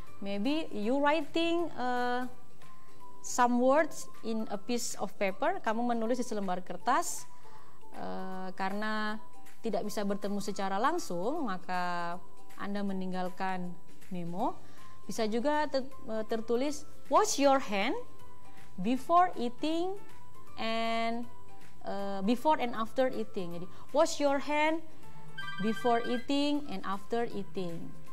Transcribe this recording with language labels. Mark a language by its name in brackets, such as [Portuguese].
[English] Maybe you writing some words in a piece of paper. [Indonesian] Kamu menulis di selembar kertas. Karena tidak bisa bertemu secara langsung, maka Anda meninggalkan memo. Bisa juga tertulis, [English] wash your hand before eating and before and after eating. [Indonesian] Jadi, [English] wash your hand before eating and after eating.